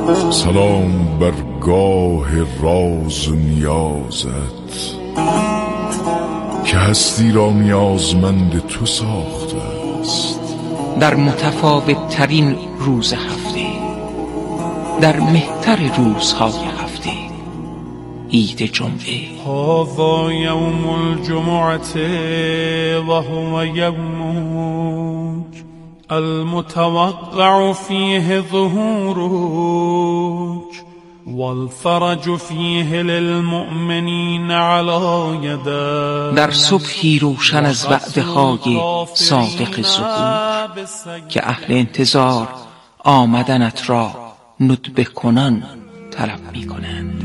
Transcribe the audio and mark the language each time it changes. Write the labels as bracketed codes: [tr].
[fa] سلام بر گاه راز و نیازت که هستی را نیازمند تو ساخته است. در متفاوت ترین روز هفته در مهتر روزهای هفته عید جمعه. [ar] هذا يوم الجمعة وهو يومك المتوقع فيه ظهورك والفرج فيه للمؤمنين على يده. [fa] در صبحی روشن از وعده‌های صادق ظهور که اهل انتظار آمدنت را ندبه کنان طلب می کنند.